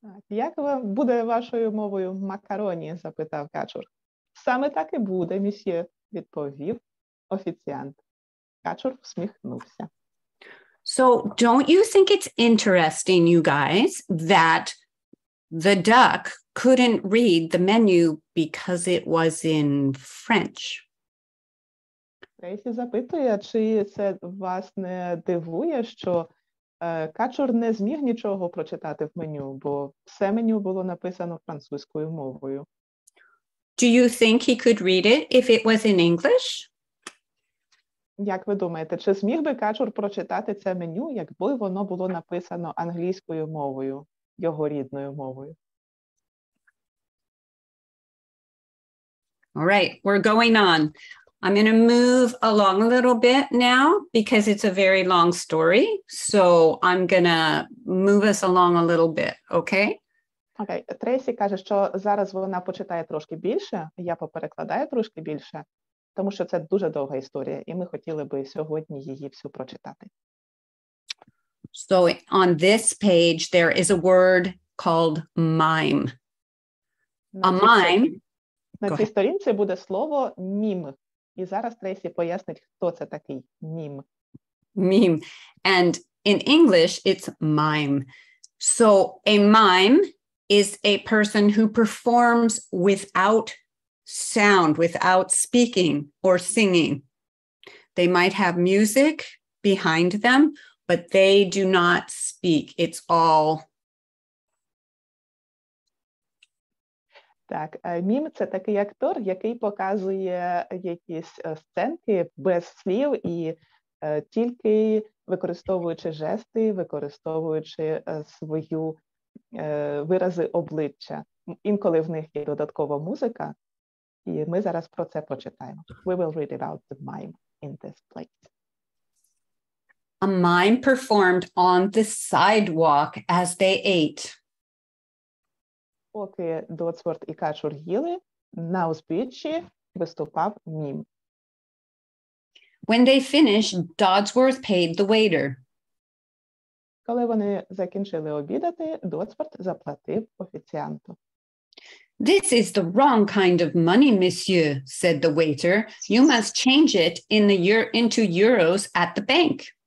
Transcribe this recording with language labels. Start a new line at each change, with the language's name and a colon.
Ukrainian: Як буде вашою мовою макароні? Запитав качур. Саме так і буде, місьє, відповів офіціант. Качур всміхнувся.
English: So, don't you think it's interesting, you guys, that the duck couldn't read the menu because it was in French?
Ukrainian: Трейсі запитує, чи це вас не дивує, що качур не зміг нічого прочитати в меню, бо все меню було написано французькою мовою.
English: Do you think he could read it if it was in English?
Ukrainian: Як ви думаєте, чи зміг би качур прочитати це меню, якби воно було написано англійською мовою, його рідною мовою?
English: All right, we're going on. I'm going to move along a little bit now because it's a very long story. So I'm going to move us along a little bit, okay?
Ukrainian: Okay, Tracy каже, що зараз вона почитає трошки більше, я поперекладаю трошки більше. Тому що це дуже довга історія, і ми хотіли би сьогодні її всю прочитати.
English: So on this page there is a word called mime. A mime.
Ukrainian: На цій сторінці буде слово мім. І зараз Трейсі пояснить, хто це такий мім.
English: Мім. And in English it's mime. So a mime is a person who performs without sound, without speaking or singing. They might have music behind them, but they do not speak. It's all.
Ukrainian: Так, мім – це такий актор, який показує якісь сценки без слів і тільки використовуючи жести, використовуючи свою вирази обличчя. Інколи в них є додаткова музика. І ми зараз про це почитаємо.
English: We will read about the mime in this place. A mime performed on the sidewalk as they ate.
Ukrainian: Поки Доцворт і Качур їли, на узбіччі виступав мім.
English: When they finished, Dodsworth paid the waiter.
Ukrainian: Коли вони закінчили обідати, Доцворт заплатив офіціанту.
English: This is the wrong kind of money, monsieur, said the waiter. You must change it into euros at the bank.